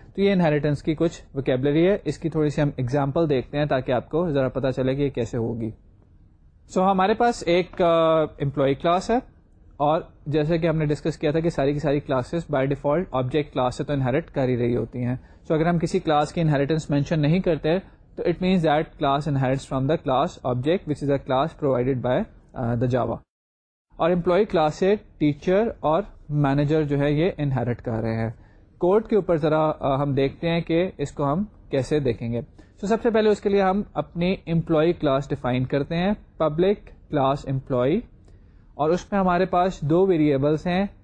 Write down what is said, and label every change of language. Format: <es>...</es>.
<ur>تو یہ انہیریٹنس کی کچھ وکیبلری ہے, اس کی تھوڑی سی ہم اگزامپل دیکھتے ہیں تاکہ آپ کو ذرا پتا چلے کہ یہ کیسے ہوگی. سو ہمارے پاس ایک امپلائی کلاس ہے, اور جیسے کہ ہم نے ڈسکس کیا تھا کہ ساری کی ساری classes by default object class سے تو انہیریٹ کر ہی رہی ہوتی ہیں. سو اگر ہم کسی کلاس کی انہیریٹنس مینشن نہیں کرتے تو</ur> <en>It means that class inherits from the class object which is a class provided by the Java.</en> <ur>اور امپلائی کلاس سے ٹیچر اور مینیجر جو ہے یہ انہیریٹ کر رہے ہیں. کوڈ کے اوپر ذرا ہم دیکھتے ہیں کہ اس کو ہم کیسے دیکھیں گے. سو سب سے پہلے اس کے لیے ہم اپنی امپلائی کلاس ڈیفائن کرتے ہیں, پبلک کلاس امپلائی, اور اس میں ہمارے پاس دو ویریبلس ہیں,</ur>